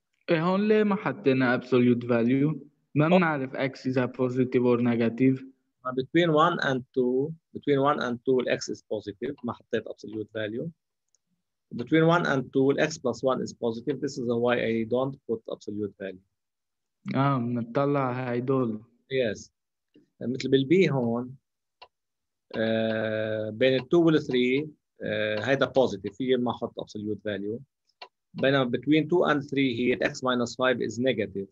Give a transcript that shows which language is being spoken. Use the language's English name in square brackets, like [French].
[Arabic] هون ليه ما حطينا [English] absolute value؟ [Arabic] ما بنعرف [English] x is a positive or negative. Between 1 and 2, between 1 and 2 x is positive. [Arabic] ما حطيت [English] absolute value. Between 1 and 2 x plus 1 is positive. This is why I don't put absolute value. [Arabic] بنطلع هاي دول. [English] Yes. [Arabic] مثل بالB هون بين 2 وال 3 هيدا positive. في ما حط absolute value. [English] But now between 2 and 3 here, x minus 5 is negative.